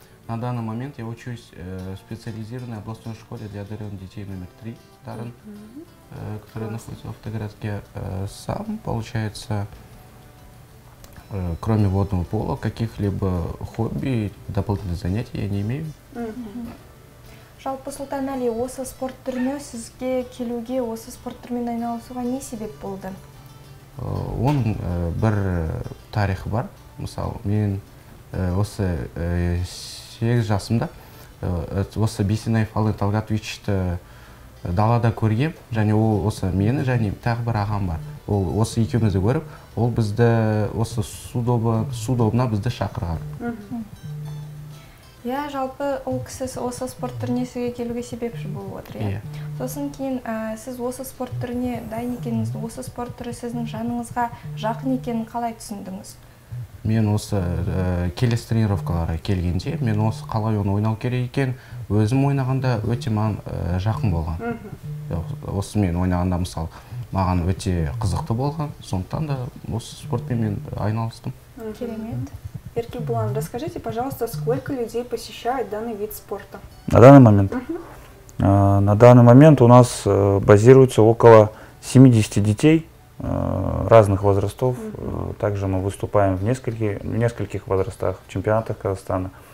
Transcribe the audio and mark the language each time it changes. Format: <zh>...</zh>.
<ru>На данный момент я учусь в специализированной областной школе для одаренных детей номер 3, Дарын, которая находится в автогородке. Сам, получается, кроме водного пола, каких-либо хобби, дополнительных занятий я не имею.</ru> <kk>Жалпы, Султан Али, осы спорт түріне сізге келуге, осы спорт түрімен айналысуға не себеп болды? Он бір тарихы бар. Мысалы, мен осы 8 жасымда осы Бесинаев Алан Талгатовичті далада көргем, және ол осы мені, және тағы бір ағам бар. Ол осы екеумізді көріп, ол бізді осы судобына бізді шақырған. Я жалпы ол кісі осы спорт түріне сізге келуге себепші болып отыр, иә? Сосын кейін сіз осы спорт түріне дайын екеніңізді, осы спорт түрі сіздің жаныңызға жақын екенін қалай түсіндіңіз? Мен осы келесі тренировкаларға келгенде, мен осы қалай оны ойнау керек екен, өзім ойнағанда өте маған жақын болған. Осы мен ойнағанда мысалы маған өте қызықты болған, сондықтан да осы спортпен мен айналыстым. Керемет.</kk> <ru>Еркебулан, расскажите, пожалуйста, сколько людей посещает данный вид спорта? На данный момент? На данный момент у нас базируется около 70 детей разных возрастов. Также мы выступаем в нескольких возрастах, в чемпионатах Казахстана.</ru>